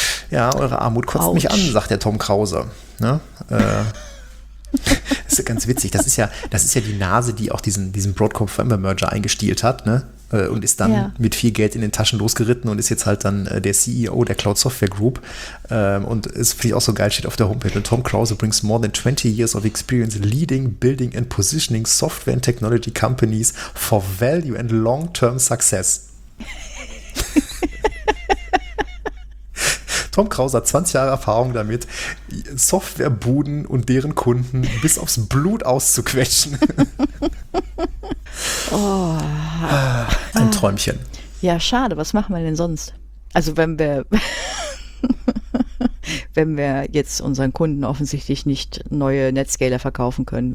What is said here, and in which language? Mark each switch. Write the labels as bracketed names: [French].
[German] Ja, eure Armut kotzt mich an, sagt der Tom Krause. Ne? Das ist ganz witzig. Das ist ja die Nase, die auch diesen Broadcom-Firmware-Merger eingestielt hat, ne? Und ist dann mit viel Geld in den Taschen losgeritten und ist jetzt halt dann der CEO der Cloud Software Group. Und ist finde ich auch so geil, steht auf der Homepage. [English] Tom Krause brings more than 20 years of experience leading, building and positioning software and technology companies for value and long-term success. [German] Tom Krause hat 20 Jahre Erfahrung damit, Softwarebuden und deren Kunden bis aufs Blut auszuquetschen. Oh. Ein Träumchen. Ja, schade. Was machen wir denn sonst? Also wenn wir jetzt unseren Kunden offensichtlich nicht neue Netscaler verkaufen können.